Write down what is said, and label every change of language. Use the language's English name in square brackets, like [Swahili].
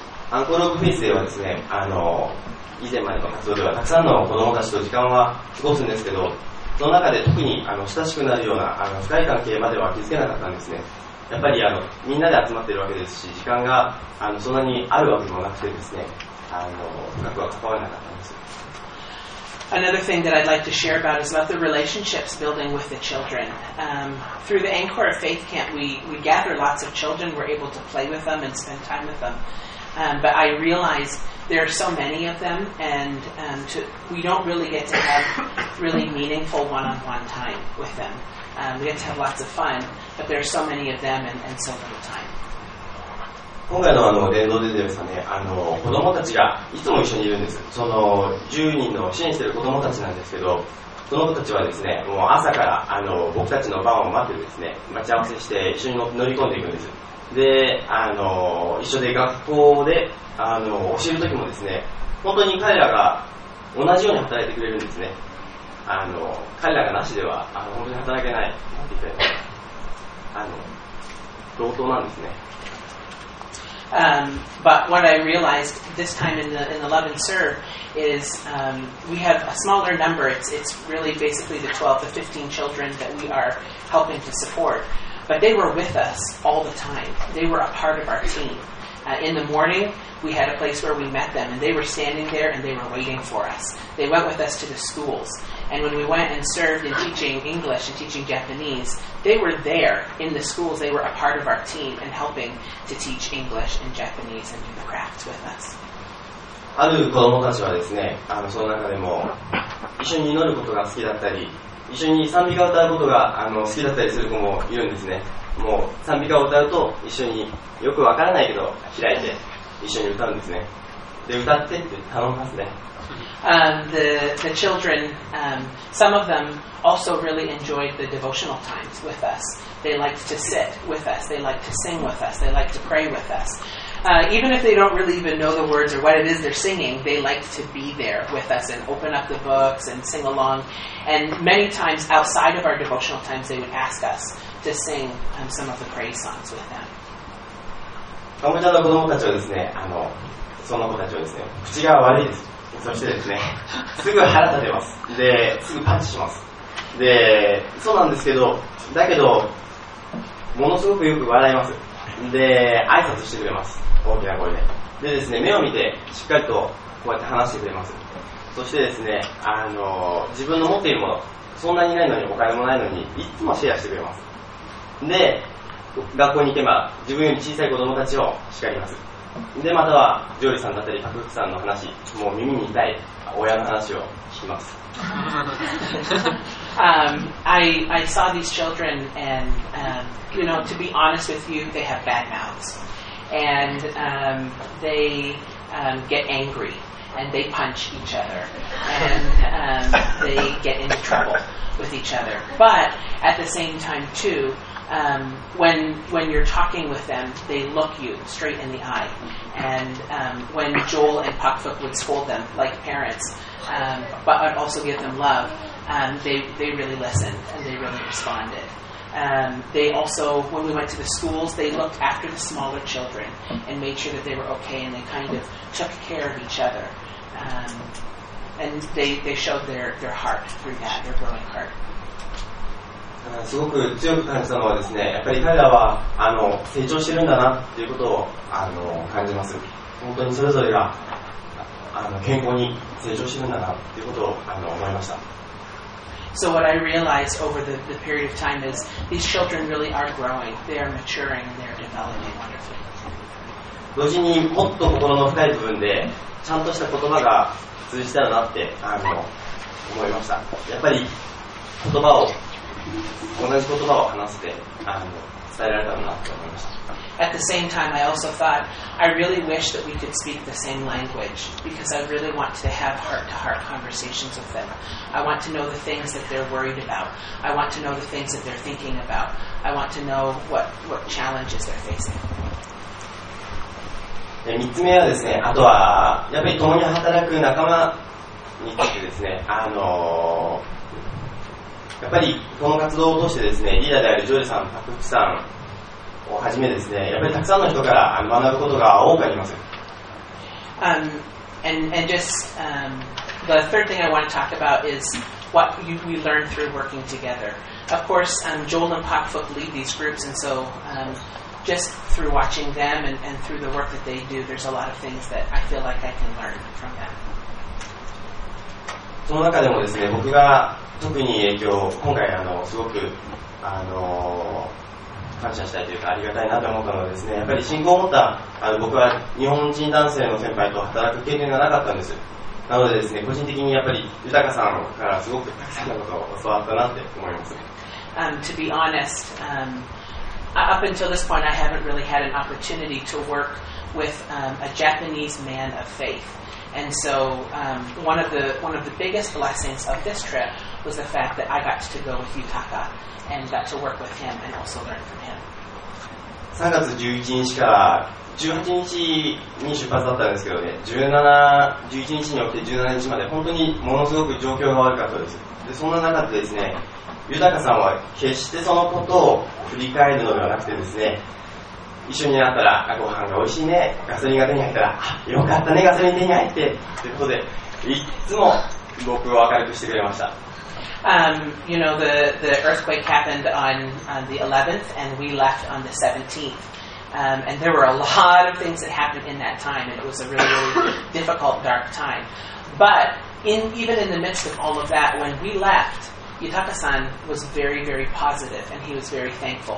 [Japanese] アンコログフェイスではですね、以前までの活動ではたくさんの子供たちと時間は過ごすんですけど、その中で特に親しくなるような深い関係までは築けなかったんですね。やっぱりみんなで集まっているわけですし、時間がそんなにあるわけもなくてですね、深くは関わらなかったんです。 [English] Another thing that I'd like to share about is about the relationships building with the children. Through the Angkor Faith Camp, we gather lots of children. We're able to play with them and spend time with them. But I realized there are so many of them, and we don't really get to have really meaningful one-on-one time with them. We get to have lots of fun, but there are so many of them and so little time. [Japanese] 今回の伝道でですね、子どもたちがいつも一緒にいるんです。その10人の支援している子どもたちなんですけど、その子たちはですね、もう朝から僕たちの番を待ってですね、待ち合わせして一緒に乗り込んでいくんです。で一緒で学校で教える時もですね、本当に彼らが同じように働いてくれるんですね。彼らがなしでは本当に働けない、なんて言ったら同等なんですね。 [English] But what I realized this time in the Love and Serve is we have a smaller number. It's really basically the 12 to 15 children that we are helping to support. But they were with us all the time. They were a part of our team. In the morning, we had a place where we met them, and they were standing there and they were waiting for us. They went with us to the schools. And when we went and served in teaching English and teaching Japanese, they were there in the schools. They were a part of our team and helping to teach English and Japanese and do the crafts with us. [Japanese] ある子どもたちはですね、その中でも一緒に祈ることが好きだったり、一緒に賛美歌を歌うことが好きだったりする子もいるんですね。もう賛美歌を歌うと一緒によくわからないけど開いて一緒に歌うんですね。で歌ってって頼みますね。 [English] The children, some of them also really enjoyed the devotional times with us. They liked to sit with us. They liked to sing with us. They liked to pray with us. Even if they don't really even know the words or what it is they're singing, they like to be there with us and open up the books and sing along. And many times outside of our devotional times, they would ask us to sing some of the praise songs with them. [Japanese] カンボジアの子供たちはですね、その子たちはですね、口が悪いです。そしてですね、すぐ腹立てます。で、すぐパンチします。で、そうなんですけど、だけど、ものすごくよく笑います。で挨拶してくれます、大きな声で。でですね、目を見てしっかりとこうやって話してくれます。そしてですね、自分の持っているもの、そんなにないのにお金もないのにいつもシェアしてくれます。で学校に行けば自分より小さい子供たちを叱ります。でまたはジョーリさんだったりパクフさんの話、もう耳に痛い親の話を聞きます。 [English] I saw these children and、you know, to be honest with you, they have bad mouths and、they、get angryAnd they punch each other, and、they get into trouble with each other. But at the same time, too,、when you're talking with them, they look you straight in the eye. And、when Joel and Puckfoot would scold them like parents,、but I'd also give them love,、they really listened and they really responded. They also, when we went to the schools, they looked after the smaller children and made sure that they were okay, and they kind of took care of each other.、and they showed their heart through that, their growing heart. [Japanese] すごく強く感じたのはですね、やっぱり彼らは成長してるんだなっていうことを感じます。本当にそれぞれが健康に成長してるんだなっていうことを思いました。 [English] So what I realized over the period of time is these children really are growing. They are maturing. They are developing wonderfully. [Japanese] 同時にもっと心の深い部分でちゃんとした言葉が通じたらなって思いました。やっぱり言葉を同じ言葉を話せて伝えられたらなって思いました。 [English] At the same time, I also thought I really wish that we could speak the same language because I really want to have heart-to-heart conversations with them. I want to know the things that they're worried about. I want to know the things that they're thinking about. I want to know what challenges they're facing. [Japanese] 3つ目はですね、あとはやっぱり共に働く仲間についてですね、やっぱりこの活動を通してですね、リーダーであるジョージさん、パクプさんをはじめですね、やっぱりたくさんの人から学ぶことが多くあります。 [English] And just the third thing I want to talk about is what we learn through working together. Of course,、Joel and Puckfoot lead these groups, and so、just through watching them and through the work that they do, there's a lot of things that I feel like I can learn from them. [Japanese] その中でもですね、僕が特に影響を今回すごく感謝したいというかありがたいなと思ったのはですね、やっぱり信仰を持った僕は日本人男性の先輩と働く経験がなかったんです。なのでですね、個人的にやっぱり豊さんからすごくたくさんのことを教わったなって思います。 [English] To be honest、up until this point I haven't really had an opportunity to work with、a Japanese man of faithAnd so、one of the biggest blessings of this trip was the fact that I got to go with Yutaka and got to work with him and also learn from him. [Japanese] 3月11日から18日に出発だったんですけどね、11日に起きて17日まで本当にものすごく状況が悪かったです。でそんな中でですね、Yutakaさんは決してそのことを振り返るのではなくてですね、一緒になったらご飯が美味しいね、ガソリンが手に入ったらよかったね、ガソリン手に入ってということで、いつも僕を明るくしてくれました。 [English] You know, the earthquake happened on the 11th and we left on the 17th. And there were a lot of things that happened in that time and it was a really, really difficult, dark time. But even in the midst of all of that, when we left,Yutaka-san was very, very positive and he was very thankful.